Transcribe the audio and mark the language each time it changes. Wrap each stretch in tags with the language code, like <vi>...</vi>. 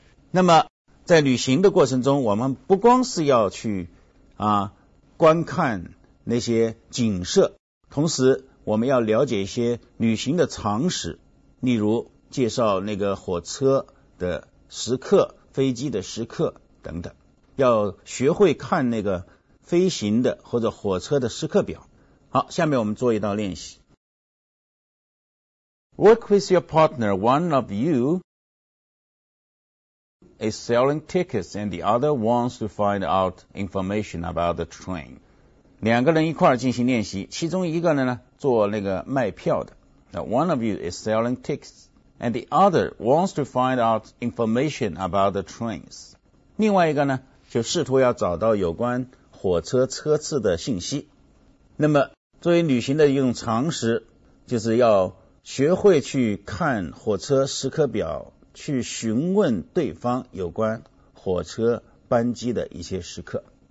<zh>那么在旅行的过程中，我们不光是要去啊观看那些景色，同时我们要了解一些旅行的常识，例如介绍那个火车的时刻、飞机的时刻等等，要学会看那个飞行的或者火车的时刻表。好，下面我们做一道练习。</zh> <en>Work with your partner. One of you is selling tickets and the other wants to find out information about the train.</en> <zh>两个人一块儿进行练习，其中一个人呢做那个卖票的。</zh> <en>Now, one of you is selling tickets, and the other wants to find out information about the trains.</en> <zh>另外一个呢就试图要找到有关火车车次的信息。那么作为旅行的一种常识，就是要学会去看火车时刻表，去询问对方有关火车班机的一些时刻。</zh>